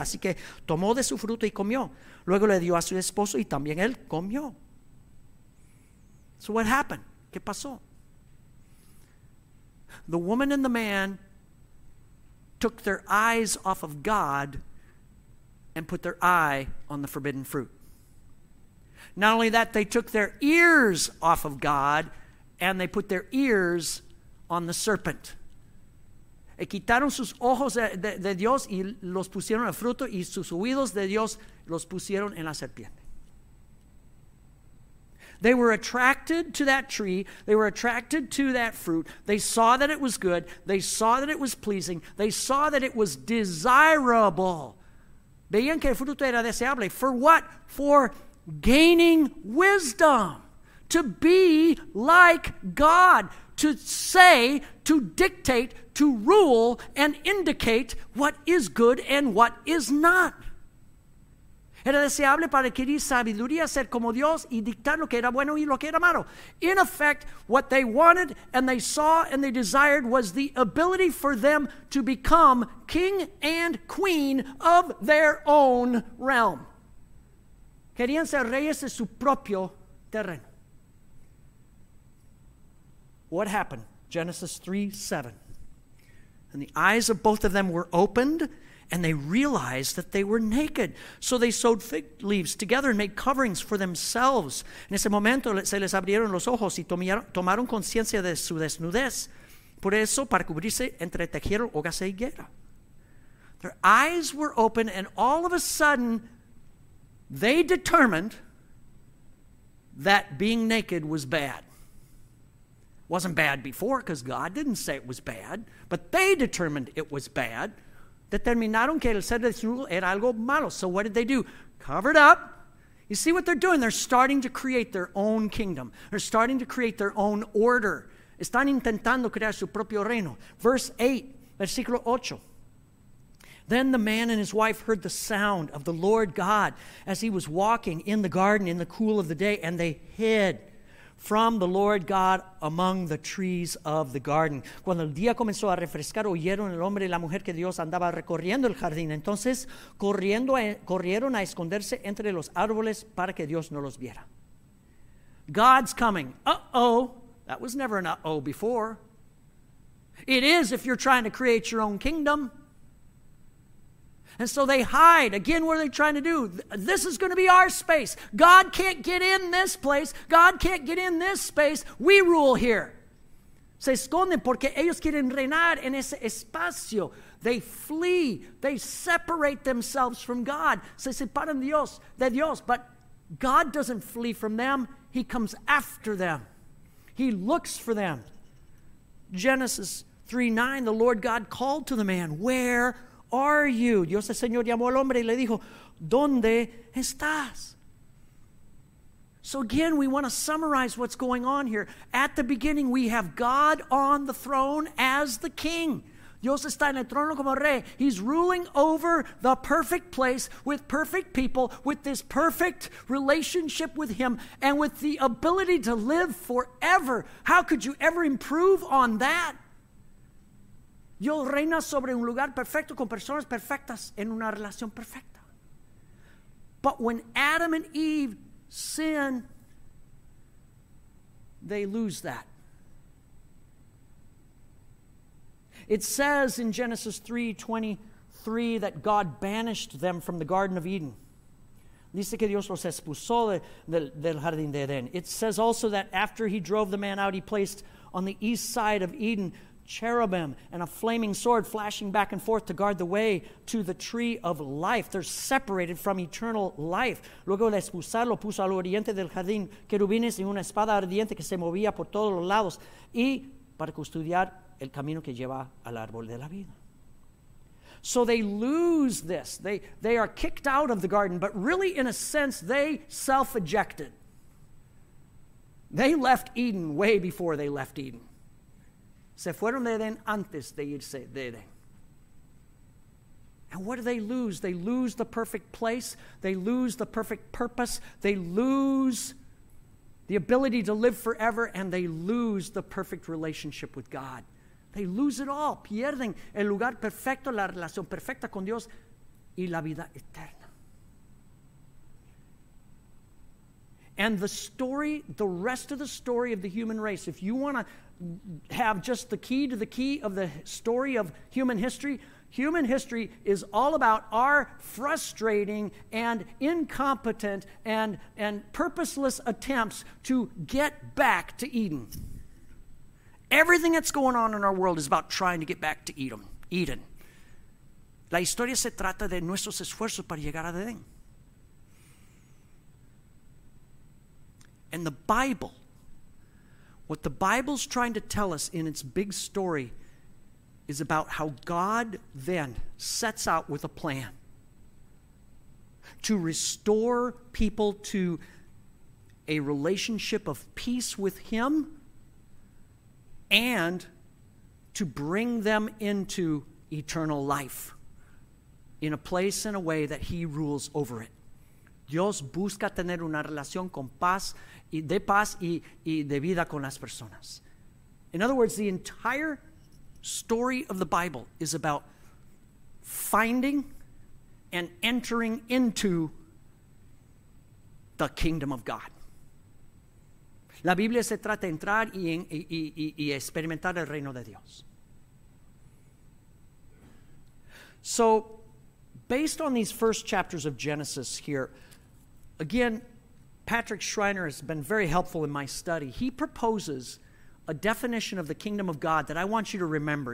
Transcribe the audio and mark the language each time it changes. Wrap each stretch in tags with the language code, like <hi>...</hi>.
<es>Así que tomó de su fruto y comió. Luego le dio a su esposo y también él comió.</es> <en>So what happened?</en> <es>¿Qué pasó?</es> <en>The woman and the man took their eyes off of God and put their eye on the forbidden fruit. Not only that, they took their ears off of God and they put their ears on the serpent.</en> <es>Y quitaron sus ojos de Dios y los pusieron al fruto y sus oídos de Dios los pusieron en la serpiente.</es> <en>They were attracted to that tree. They were attracted to that fruit. They saw that it was good. They saw that it was pleasing. They saw that it was desirable.</en> <es>Veían que el fruto era deseable.</es> <en>For what? For gaining wisdom. To be like God. To say, to dictate, to rule, and indicate what is good and what is not.</en> <es>Era deseable para adquirir sabiduría, ser como Dios, y dictar lo que era bueno y lo que era malo.</es> <en>In effect, what they wanted and they saw and they desired was the ability for them to become king and queen of their own realm.</en> <es>Querían ser reyes de su propio terreno.</es> <en>What happened? Genesis 3:7. And the eyes of both of them were opened, and they realized that they were naked. So they sewed fig leaves together and made coverings for themselves.</en> <es>En ese momento se les abrieron los ojos y tomaron conciencia de su desnudez. Por eso, para cubrirse, entretejieron hojas de higuera.</es> <en>Their eyes were open, and all of a sudden, they determined that being naked was bad. Wasn't bad before because God didn't say it was bad, but they determined it was bad.</en> <es>Determinaron que el ser desnudo era algo malo.</es> <en>So what did they do? Covered up. You see what they're doing? They're starting to create their own kingdom. They're starting to create their own order.</en> <es>Están intentando crear su propio reino.</es> <en>Verse 8,</en> <es>versículo 8.</es> <en>Then the man and his wife heard the sound of the Lord God as he was walking in the garden in the cool of the day, and they hid from the Lord God among the trees of the garden.</en> <es>Cuando el día comenzó a refrescar, oyeron el hombre y la mujer que Dios andaba recorriendo el jardín. Entonces, corrieron a esconderse entre los árboles para que Dios no los viera.</es> <en>God's coming. Uh-oh. That was never an uh-oh before. It is if you're trying to create your own kingdom. And so they hide. Again, what are they trying to do? This is going to be our space. God can't get in this place. God can't get in this space. We rule here.</en> <es>Se esconden porque ellos quieren reinar en ese espacio.</es> <en>They flee. They separate themselves from God.</en> <es>Se separan de Dios.</es> <en>But God doesn't flee from them. He comes after them. He looks for them. Genesis 3:9, the Lord God called to the man, "Where are you?"</en> <es>Dios el Señor llamó al hombre y le dijo, ¿dónde estás?</es> <en>So again, we want to summarize what's going on here. At the beginning, we have God on the throne as the king.</en> <es>Dios está en el trono como rey.</es> <en>He's ruling over the perfect place with perfect people, with this perfect relationship with him, and with the ability to live forever. How could you ever improve on that?</en> <es>Dios reina sobre un lugar perfecto con personas perfectas en una relación perfecta.</es> <en>But when Adam and Eve sin, they lose that. It says in Genesis 3:23 that God banished them from the Garden of Eden.</en> <es>Dice que Dios los expulsó del jardín de Edén.</es> <en>It says also that after he drove the man out, he placed on the east side of Eden cherubim and a flaming sword flashing back and forth to guard the way to the tree of life. They're separated from eternal life.</en> <es>Luego de expulsarlo, puso al oriente del jardín querubines y una espada ardiente que se movía por todos los lados y para custodiar el camino que lleva al árbol de la vida.</es> <en>So they lose this. They are kicked out of the garden, but really, in a sense, they self-ejected. They left Eden way before they left Eden.</en> <es>Se fueron de Edén antes de irse de Edén.</es> <en>And what do they lose? They lose the perfect place. They lose the perfect purpose. They lose the ability to live forever, and they lose the perfect relationship with God. They lose it all.</en> <es>Pierden el lugar perfecto, la relación perfecta con Dios y la vida eterna.</es> <en>And the story, the rest of the story of the human race, if you want to have just the key to the key of the story of human history is all about our frustrating and incompetent and purposeless attempts to get back to Eden. Everything that's going on in our world is about trying to get back to Eden.</en> <es>La historia se trata de nuestros esfuerzos para llegar a Edén.</es> <en>And the Bible, what the Bible's trying to tell us in its big story is about how God then sets out with a plan to restore people to a relationship of peace with Him and to bring them into eternal life in a place and a way that He rules over it.</en> <es>Dios busca tener una relación con paz y de paz y de vida con las personas.</es> <en>In other words, the entire story of the Bible is about finding and entering into the kingdom of God.</en> <es>La Biblia se trata de entrar y experimentar el reino de Dios.</es> <en>So, based on these first chapters of Genesis here, again, Patrick Schreiner has been very helpful in my study. He proposes a definition of the kingdom of God that I want you to remember.</en>